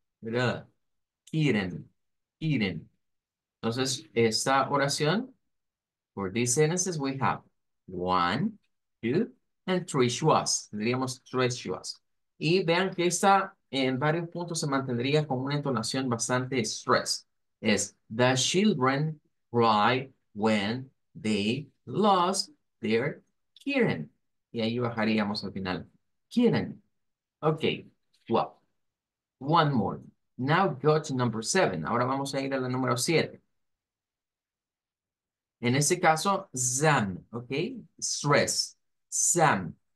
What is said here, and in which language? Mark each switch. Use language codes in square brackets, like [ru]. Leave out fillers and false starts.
[en] R. Kitten, kitten. [es] Entonces, esta oración, [en] for these sentences, we have one, two, and three schwas. [es] Tendríamos tres schwas. Y vean que esta en varios puntos se mantendría con una entonación bastante stress. [en] Es the children cry when they lost their kitten. [es] Y ahí bajaríamos al final. Kitten. [en] Ok, well, one more. Now go to number seven. [es] Ahora vamos a ir a la número siete. En este caso, zam, ok? Stress. Sam.